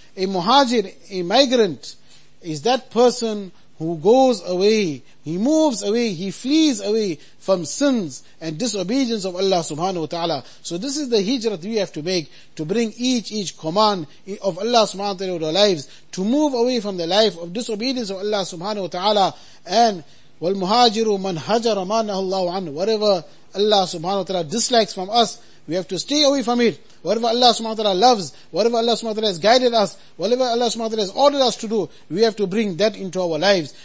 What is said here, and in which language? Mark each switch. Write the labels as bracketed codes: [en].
[en] A muhajir, a migrant, is that person who goes away, he moves away, he flees away from sins and disobedience of Allah subhanahu wa ta'ala. So this is the hijrah we have to make, to bring each command of Allah subhanahu wa ta'ala to our lives, to move away from the life of disobedience of Allah subhanahu wa ta'ala. [ar] And وَالْمُهَاجِرُ مَنْ هَجَرَ مَا نَهَى اللَّهُ عَنْهُ. [en] Whatever Allah subhanahu wa ta'ala dislikes from us, we have to stay away from it. Whatever Allah subhanahu wa ta'ala loves, whatever Allah subhanahu wa ta'ala has guided us, whatever Allah subhanahu wa ta'ala has ordered us to do, we have to bring that into our lives.